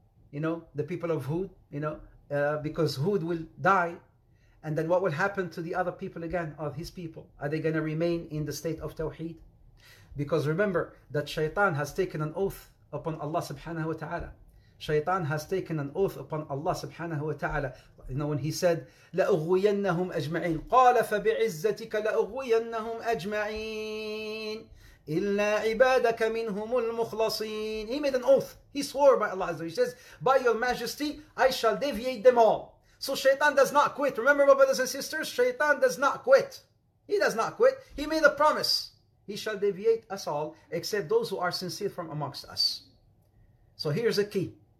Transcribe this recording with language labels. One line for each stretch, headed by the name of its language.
English: You know, the people of Hud, you know, because Hud will die. And then what will happen to the other people again, of his people? Are they going to remain in the state of Tawheed? Because remember that Shaytan has taken an oath upon Allah subhanahu wa ta'ala. Shaytan has taken an oath upon Allah subhanahu wa ta'ala. You know, when he said,
Arabic: لَأُغْوِيَنَّهُمْ أَجْمَعِينَ قَالَ فَبِعِزَّتِكَ لَأُغْوِيَنَّهُمْ أَجْمَعِينَ إِلَّا عِبَادَكَ مِنْهُمُ الْمُخْلَصِينَ.
English: He made an oath. He swore by Allah Azza. He says, by your majesty, I shall deviate them all. So Shaytan does not quit. Remember, my brothers and sisters, Shaytan does not quit. He does not quit. He made a promise. He shall deviate us all, except those who are sincere from amongst us. So here's a key.